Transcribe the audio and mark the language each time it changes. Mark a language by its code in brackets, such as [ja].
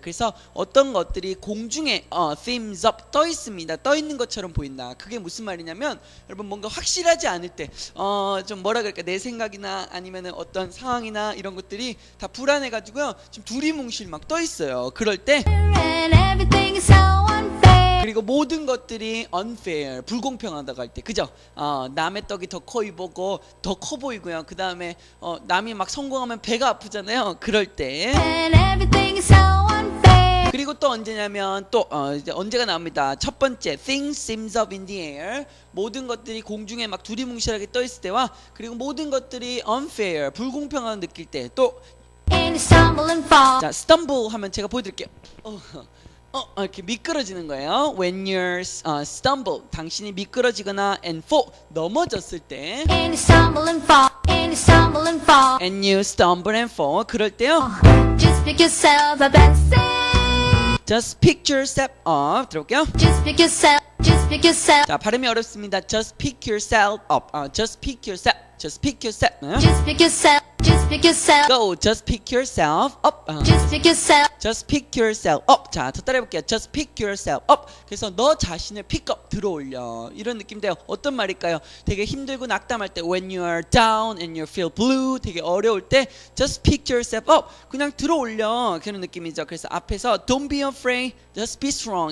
[ko] 그래서 어떤 것들이 공중에 [en] seems up [ko] 떠 있습니다. 떠 있는 것처럼 보인다. 그게 무슨 말이냐면 여러분 뭔가 확실하지 않을 때 좀 뭐라 그럴까? 내 생각이나 아니면은 어떤 상황이나 이런 것들이 다 불안해 가지고요. 지금 두리뭉실 막 떠 있어요. 그럴 때 [en] everything is so unfair. [ko] 그리고 모든 것들이 unfair, 불공평하다고 할 때, 그죠? 남의 떡이 더 커 보이고, 더 커 보이고요. 그 다음에 남이 막 성공하면 배가 아프잖아요. 그럴 때. [en] And everything is so unfair. [ko] 그리고 또 언제냐면 또 이제 언제가 나옵니다. 첫 번째, [en] things seems up in the air. [ko] 모든 것들이 공중에 막 두리뭉실하게 떠 있을 때와 그리고 모든 것들이 unfair, 불공평한 느낄 때 또. [en] And stumble and fall. [ko] 자, stumble 하면 제가 보여드릴게요. 이렇게 미끄러지는 거예요. [en] When you're stumble, [ko] 당신이 미끄러지거나 [en] and fall [ko] 넘어졌을 때. [en] And stumble and fall, and stumble and fall, and you stumble and fall. [ko] 그럴 때요. [en] Just pick yourself up and sing. Just pick yourself up. 들어볼게요. Just pick yourself, just pick yourself. 자, [ko] 발음이 어렵습니다. [en] Just pick yourself up. Just pick yourself, just pick yourself. Just pick yourself. Just pick yourself. Go. Just pick yourself up. Just pick yourself. Just pick yourself up. 자, [ko] 더 따라해볼게요. [en] Just pick yourself up. [ko] 그래서 너 자신을 [en] pick up, [ko] 들어올려. 이런 느낌인데요. 어떤 말일까요? 되게 힘들고 낙담할 때, [en] when you are down and you feel blue, [ko] 되게 어려울 때, [en] just pick yourself up. [ko] 그냥 들어올려. 그런 느낌이죠. 그래서 앞에서 [en] don't be afraid, just be strong.